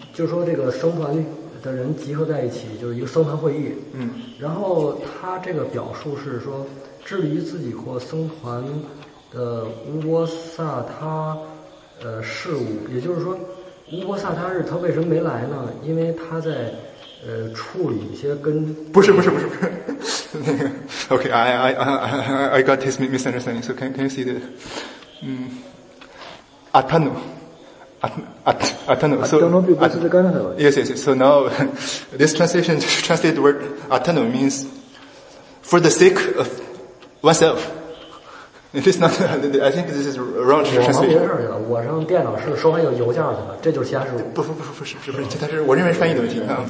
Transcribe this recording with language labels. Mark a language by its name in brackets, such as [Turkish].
[Chinese] 就是说这个生团的人集合在一起就是一个僧团会议。嗯，然后他这个表述是说，至于自己或僧团的乌波萨他事务，也就是说乌波萨他日他为什么没来呢？因为他在处理一些跟不是 [English] OK I got his misunderstanding, so can you see the Atano Atano so yes so now this translation translate the word Atano means for the sake of oneself. It is not. I think this is wrong translation. [Chinese] 我忙别的事儿去了。我上电脑是收完有邮件去了。这就是其他事务。不是，他是我认为翻译的问题。